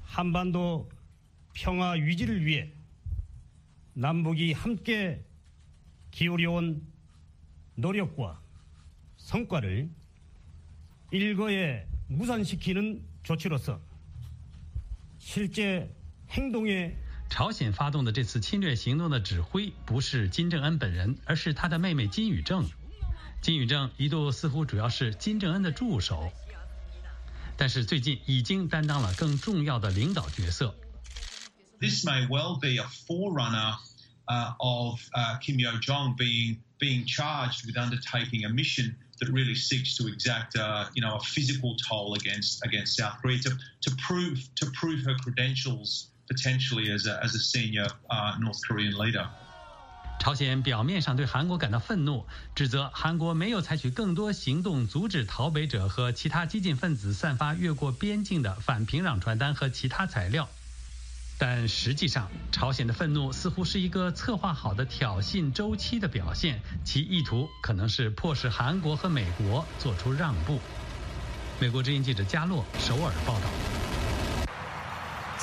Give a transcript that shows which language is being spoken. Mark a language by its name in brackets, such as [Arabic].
[Korean] 한반도평화유지를위해남북이함께기울여온노력과성과를일거에무산시키는조치로서실제행동에 [Chinese] 朝鲜发动的这次侵略行动的指挥不是金正恩本人，而是他的妹妹金宇正。金宇正一度似乎主要是金正恩的助手，但是最近已经担当了更重要的领导角色。 [English] This may well be a forerunner of Kim Yo Jong being charged with undertaking a mission that really seeks to exact a physical toll against South Korea to prove her credentials potentially as a senior North Korean leader. [Chinese] 朝鲜表面上对韩国感到愤怒，指责韩国没有采取更多行动阻止逃北者和其他激进分子散发越过边境的反平壤传单和其他材料。但实际上，朝鲜的愤怒似乎是一个策划好的挑衅周期的表现，其意图可能是迫使韩国和美国做出让步。美国之音记者加洛首尔报道。